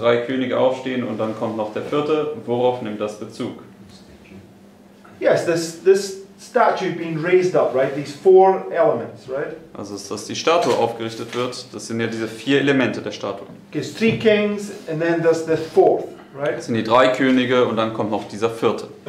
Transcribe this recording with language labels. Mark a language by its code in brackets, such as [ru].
[de] Drei Könige aufstehen und dann kommt noch der vierte. Worauf nimmt das Bezug? [en] Yes, this statue being raised up, right? These four elements, right? [de] Also, dass die Statue aufgerichtet wird. Das sind ja diese vier Elemente der Statue. [en] Okay, it's three kings, and then there's the fourth. Right. [de] Das sind die drei Könige und dann kommt noch dieser vierte.